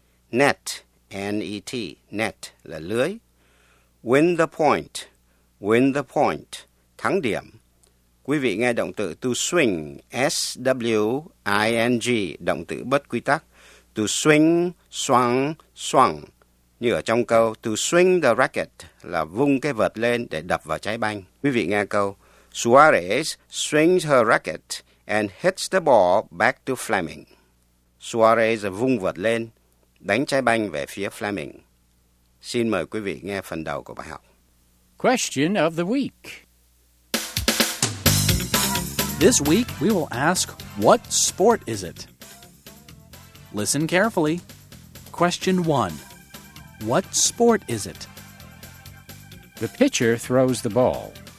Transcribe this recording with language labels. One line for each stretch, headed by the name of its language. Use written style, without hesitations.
English: Net, N-E-T. Net
Vietnamese: là lưới.
English: Win the point, win the point.
Vietnamese: Thắng điểm. Quý vị nghe động từ
English: to swing,
Vietnamese: S-W-I-N-G, động từ bất quy tắc.
English: To swing, swung, swung.
Vietnamese: Như ở trong câu,
English: to swing the racket
Vietnamese: là vung cái vợt lên để đập vào trái banh. Quý vị nghe câu,
English: Suarez swings her racket and hits the ball back to Fleming.
Vietnamese: Suarez vung vợt lên, đánh trái banh về phía Fleming. Xin mời quý vị nghe phần đầu của bài học.
English: Question of the week. This week, we will ask, what sport is it? Listen carefully. Question 1. What sport is it? The pitcher throws the ball.